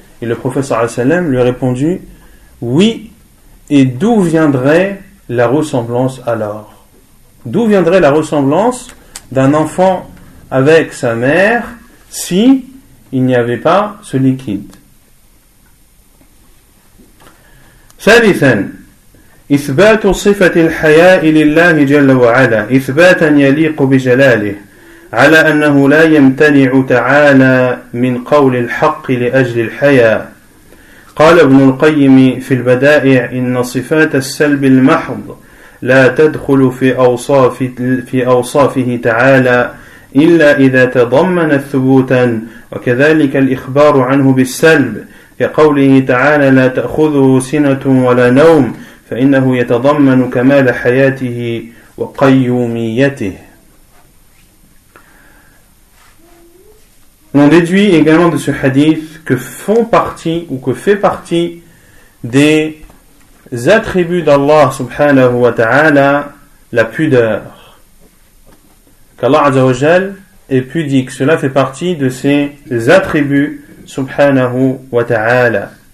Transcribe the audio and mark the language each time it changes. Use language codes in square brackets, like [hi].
[fr] Et le prophète sallam lui a répondu oui, et d'où viendrait la ressemblance alors? D'où viendrait la ressemblance d'un enfant avec sa mère si il n'y avait pas ce liquide? [ar] Thalithan, إثبات صفة الحياء لله جل وعلا إثباتا يليق بجلاله على أنه لا يمتنع تعالى من قول الحق لأجل الحياء. قال ابن القيم في البدائع إن صفات السلب المحض لا تدخل في أوصافه تعالى إلا إذا تضمن ثبوتا، وكذلك الإخبار عنه بالسلب كقوله تعالى لا تأخذه سنة ولا نوم فإنه يتضمن كمال حياته وقيوميته. [fr] On déduit également de ce hadith que font partie ou que fait partie des attributs d'Allah subhanahu wa ta'ala la pudeur. Qu'Allah azza wa jal est pudique. Cela fait partie de ses attributs subhanahu wa ta'ala.